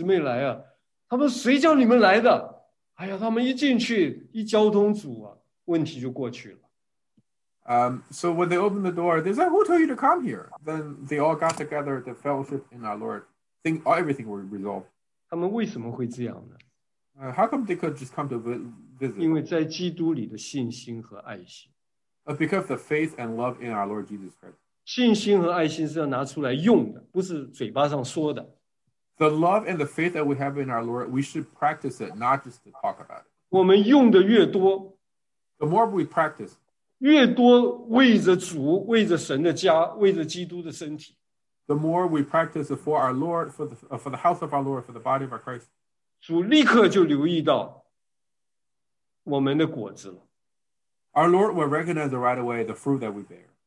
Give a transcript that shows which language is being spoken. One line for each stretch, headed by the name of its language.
Chinese: 所以那一天他们一看见弟兄姊妹来啊,他们谁叫你们来的?哎呀,他们一进去,一交通组啊,问题就过去了。
English: So when they opened the door, they said, who told you to come here? Then they all got together to fellowship in our Lord. Think everything were resolved.
Chinese: 他们为什么会这样呢?
English: How come they could just come to visit?
Chinese: 因为在基督里的信心和爱心。
English: Because of the faith and love in our Lord Jesus Christ.
Chinese: 信心和爱心是要拿出来用的,不是嘴巴上说的。
English: The love and the faith that we have in our Lord, we should practice it, not just to talk about it.
Chinese: 我们用的越多,
English: the more we practice,
Chinese: 越多为着主,为着神的家,为着基督的身体。
English: The more we practice it for our Lord, for the house of our Lord, for the body of our Christ.
Chinese: 主立刻就留意到我们的果子了。
English: Our Lord will recognize right away the fruit that we bear.